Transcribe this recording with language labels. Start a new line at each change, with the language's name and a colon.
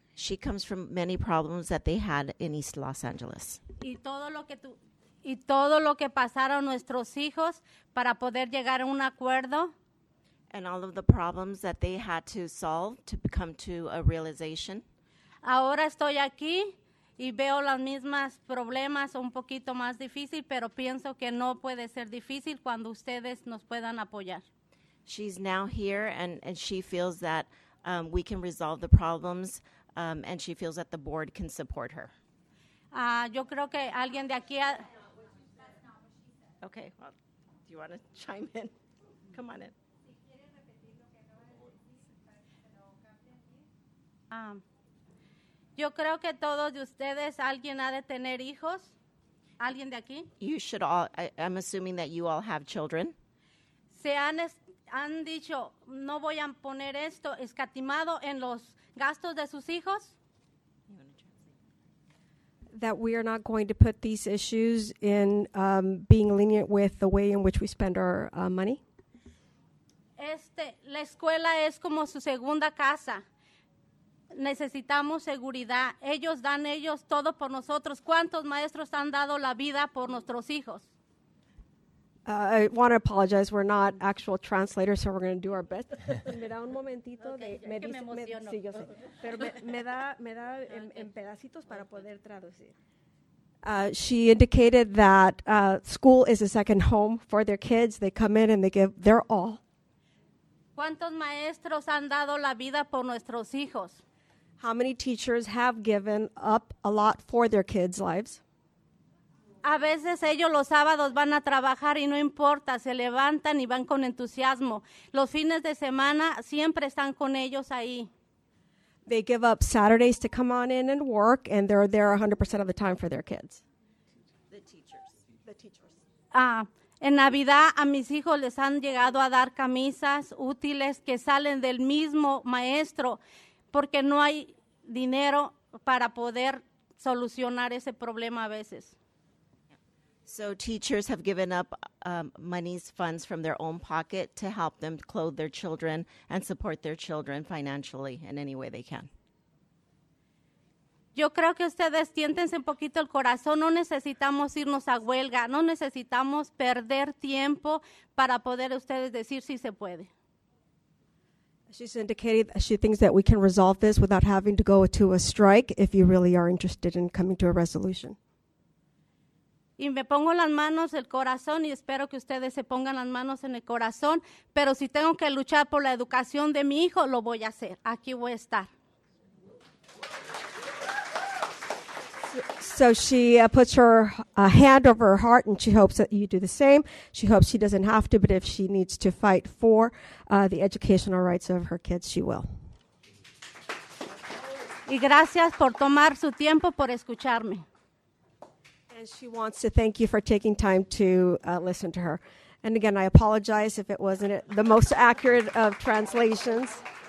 English: She comes from many problems that they had in East Los Angeles.
Spanish: Y todo lo que tú... Y todo lo que pasaron nuestros hijos para poder llegar a un acuerdo.
English: And all of the problems that they had to solve to come to a realization.
Spanish: Ahora estoy aquí y veo las mismas problemas un poquito más difícil, pero pienso que no puede ser difícil cuando ustedes nos puedan apoyar.
English: She's now here and she feels that we can resolve the problems and she feels that the board can support her.
Spanish: Yo creo que alguien de aquí...
English: Okay, well, do you want to chime in? Come on in.
Spanish: Yo creo que todos de ustedes, alguien ha de tener hijos. ¿Alguien de aquí?
English: You should all, I'm assuming that you all have children.
Spanish: Se han dicho, no voy a poner esto escatimado en los gastos de sus hijos.
English: That we are not going to put these issues in being lenient with the way in which we spend our money.
Spanish: La escuela es como su segunda casa. Necesitamos seguridad. Ellos dan ellos todo por nosotros. ¿Cuántos maestros han dado la vida por nuestros hijos?
English: I want to apologize. We're not actual translators, so we're going to do our best.
Spanish: Me da un momentito. Me emociono. Sí, yo sé. Pero me da en pedacitos para poder traducir.
English: She indicated that school is a second home for their kids. They come in and they give their all.
Spanish: ¿Cuántos maestros han dado la vida por nuestros hijos?
English: How many teachers have given up a lot for their kids' lives?
Spanish: A veces ellos los sábados van a trabajar y no importa, se levantan y van con entusiasmo. Los fines de semana siempre están con ellos ahí.
English: They give up Saturdays to come on in and work, and they're there 100% of the time for their kids. The teachers. The teachers.
Spanish: En Navidad a mis hijos les han llegado a dar camisas útiles que salen del mismo maestro porque no hay dinero para poder solucionar ese problema a veces.
English: So teachers have given up monies, funds from their own pocket to help them clothe their children and support their children financially in any way they can.
Spanish: Yo creo que ustedes tiéntense un poquito el corazón. No necesitamos irnos a huelga. No necesitamos perder tiempo para poder ustedes decir si se puede.
English: She's indicated that she thinks that we can resolve this without having to go to a strike if you really are interested in coming to a resolution.
Spanish: Y me pongo las manos, el corazón, y espero que ustedes se pongan las manos en el corazón. Pero si tengo que luchar por la educación de mi hijo, lo voy a hacer. Aquí voy a estar.
English: So she puts her hand over her heart, and she hopes that you do the same. She hopes she doesn't have to, but if she needs to fight for the educational rights of her kids, she will.
Spanish: Y gracias por tomar su tiempo, por escucharme.
English: And she wants to thank you for taking time to listen to her. And again, I apologize if it wasn't the most accurate of translations.